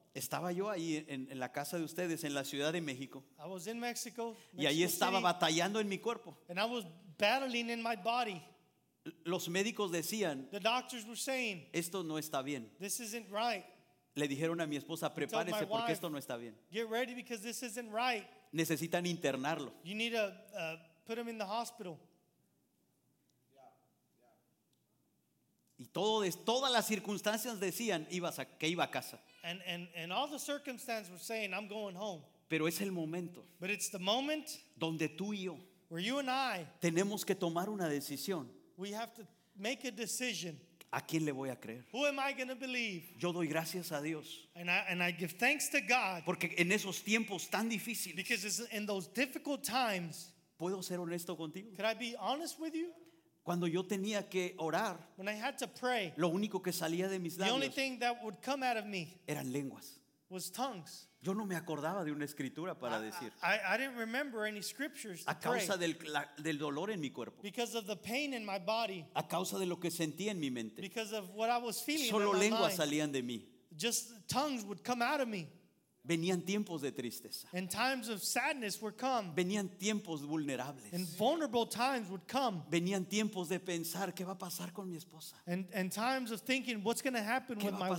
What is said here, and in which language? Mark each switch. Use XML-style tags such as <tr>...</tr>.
<es>Estaba yo ahí en la casa de ustedes, en la Ciudad de México.</es> <en>I was in Mexico.</en> <es>Y ahí estaba batallando en mi cuerpo.</es> <en>And I was battling in my body.</en> <es>Los médicos decían,</es> <en>the doctors were saying,</en> <es>esto no está bien.</es> <en>This isn't right.</en> <es>Le dijeron a mi esposa, prepárese porque esto no está bien.</es> <en>Get ready because this isn't right.</en> <es>Necesitan internarlo.</es> <en>You need to put him in the hospital.</en> <es>Y todas las circunstancias decían que iba a casa.</es> <en>And all the circumstances were saying I'm going home.</en> <es>Pero es el momento.</es> <en>But it's the moment</en> <es>donde tú y yo,</es> <en>where you and I,</en> <es>tenemos que tomar una decisión.</es> <en>We have to make a decision.</en> <es>¿A quién le voy a creer?</es> <en>Who am I going to believe?</en> <es>Yo doy gracias a Dios.</es> <en>And I give thanks to God.</en> <es>Porque en esos tiempos tan difíciles.</es> <en>Because in those difficult times.</en> <es>¿Puedo ser honesto contigo?</es> <en>Could I be honest with you?</en> <es>Cuando yo tenía que orar.</es> <en>When I had to pray.</en> <es>Lo único que salía de mis labios.</es> <en>The only thing that would come out of me.</en> <es>Eran lenguas.</es> <en>Was tongues.</en> <es>Yo no me acordaba de una escritura para decir.</es> <en>I didn't remember any scriptures to pray.</en> <es>A causa del dolor en mi cuerpo.</es> <en>Because of the pain in my body.</en> <es>A causa de lo que sentía en mi mente.</es> <en>Because of what I was feeling.</en> <es>Solo lenguas salían de mí.</es> <en>Just tongues would come out of me.</en> <es>Venían tiempos de tristeza.</es> <en>And times of sadness would come.</en> <es>Venían tiempos vulnerables.</es> <en>And vulnerable times would come.</en> <es>Venían tiempos de pensar qué va a pasar con mi esposa.</es> <en>And times of thinking what's going to happen with my wife.</en>